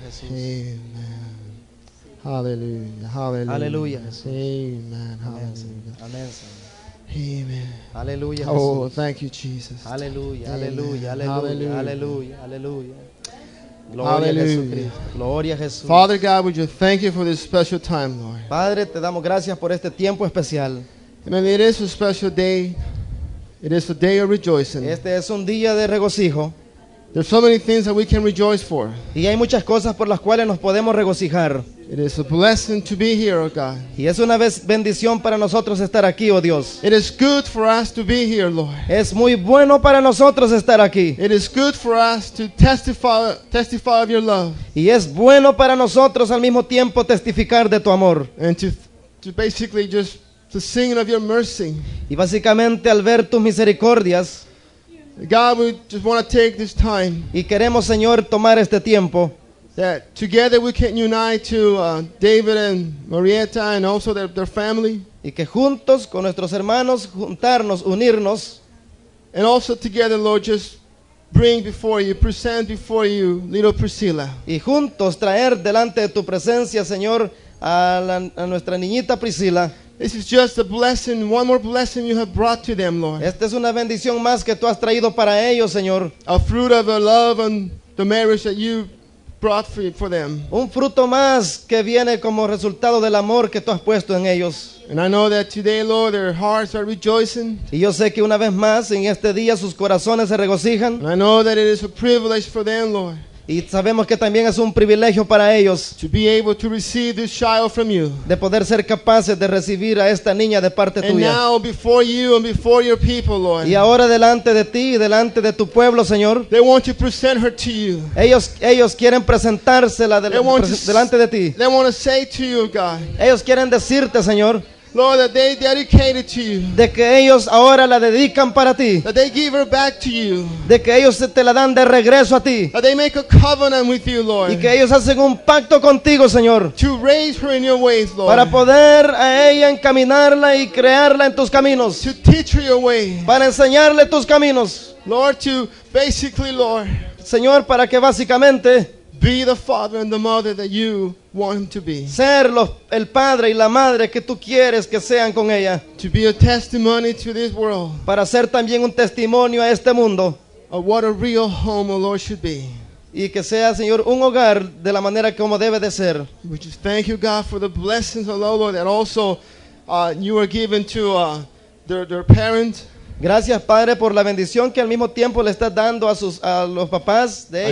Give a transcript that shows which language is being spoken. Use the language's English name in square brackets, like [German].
[English] Jesús. Hallelujah. Hallelujah. Hallelujah. Amen. Hallelujah. Amen. Amen. Hallelujah. Oh, Jesus. Thank you, Jesus. Hallelujah. Amen. Hallelujah. Hallelujah. Hallelujah. Hallelujah. [Spanish] Gloria a Jesús. [English] Father God, we just thank you for this special time, Lord. [Spanish] Padre, te damos gracias por este tiempo especial. [English] Amen. It is a special day. It is a day of rejoicing. [Spanish] Este es un día de regocijo. [English] There's so many things that we can rejoice for. [Spanish] Y hay muchas cosas por las cuales nos podemos regocijar. [English] It is a blessing to be here, oh God. [Spanish] Y es una bendición para nosotros estar aquí, oh Dios. [English] It is good for us to be here, Lord. [Spanish] Es muy bueno para nosotros estar aquí. [English] It is good for us to testify of your love. [Spanish] Y es bueno para nosotros al mismo tiempo testificar de tu amor. [English] And to basically just to sing of your mercy. [Spanish] Y básicamente al ver tus misericordias. [English] God, we just want to take this time. [Spanish] Y queremos, Señor, tomar este tiempo. [English] That together we can unite to David and Marietta and also their family. [Spanish] Y que juntos con nuestros hermanos juntarnos, unirnos. [English] And also together, Lord, just bring before you, present before you, little Priscilla. [Spanish] Y juntos traer delante de tu presencia, Señor, a nuestra niñita Priscilla. [English] This is just a blessing, one more blessing you have brought to them, Lord. [Spanish] Esta es una bendición más que tú has traído para ellos, Señor. [English] A fruit of the love and the marriage that you brought for them. [Spanish] Un fruto más que viene como resultado del amor que tú has puesto en ellos. [English] And I know that today, Lord, their hearts are rejoicing. [Spanish] Y yo sé que una vez más en este día sus corazones se regocijan. [English] And I know that it is a privilege for them, Lord. [Spanish] Y sabemos que también es un privilegio para ellos [English] to be able to receive this child from you. [Spanish] De poder ser capaces de recibir a esta niña de parte [English] and [Spanish] tuya. [English] Now before you and before your people, Lord, [Spanish] y ahora delante de ti y delante de tu pueblo, Señor. [English] They want to present her to you. [Spanish] Ellos quieren presentársela delante de ti. [English] They want to say to you, God, [Spanish] ellos quieren decirte, Señor. [English] Lord, that they dedicate it to you. [Spanish] De que ellos ahora la dedican para ti. [English] That they give her back to you. [Spanish] De que ellos te la dan de regreso a ti. [English] That they make a covenant with you, Lord. [Spanish] Y que ellos hacen un pacto contigo, Señor. [English] To raise her in your ways, Lord. [Spanish] Para poder a ella encaminarla y crearla en tus caminos. [English] To teach her your way. [Spanish] Para enseñarle tus caminos. [English] Lord, to basically, Lord. [Spanish] Señor, para que básicamente. [English] Be the father and the mother that you want him to be. [Spanish] Ser el padre y la madre que tú quieres que sean con ella. [English] To be a testimony to this world. [Spanish] Para ser también un testimonio a este mundo. [English] Of what a real home, O Lord, should be. [Spanish] Y que sea, Señor, un hogar de la manera como debe de ser. [English] We just thank you, God, for the blessings of the Lord that also you are given to their parents. [Spanish] Gracias, Padre, por la bendición que al mismo tiempo le estás dando a los papás de ellos.